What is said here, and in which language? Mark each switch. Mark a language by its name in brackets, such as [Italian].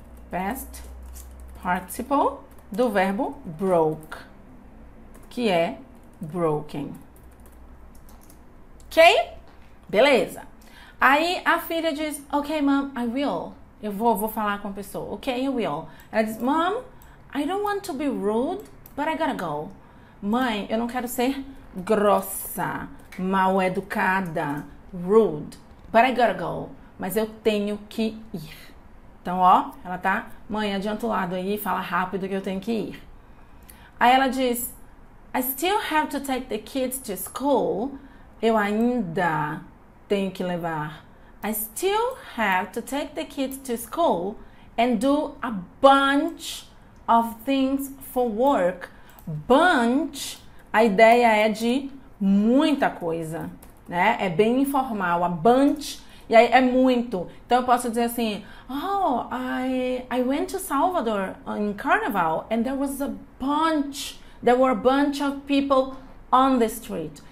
[Portuguese] Past participle do verbo broke, que é broken. Ok? Beleza. Aí a filha diz: [English] Ok, mom, I will. [Portuguese] Eu vou falar com a pessoa. [English] Ok, I will. [Portuguese] Ela diz: [English] Mom, I don't want to be rude, but I gotta go. [Portuguese] Mãe, eu não quero ser grossa, mal educada, rude, [English] but I gotta go. [Portuguese] Mas eu tenho que ir. Então, ó, ela tá, mãe, adianta o lado aí, fala rápido que eu tenho que ir. Aí ela diz: [English] I still have to take the kids to school. [Portuguese] Eu ainda tenho que levar. [English] I still have to take the kids to school and do a bunch of things for work. [Portuguese] Bunch, a ideia é de muita coisa, né? É bem informal, a bunch. E aí é muito. Então eu posso dizer assim: [English] Oh, I went to Salvador in Carnival and there were a bunch of people on the street.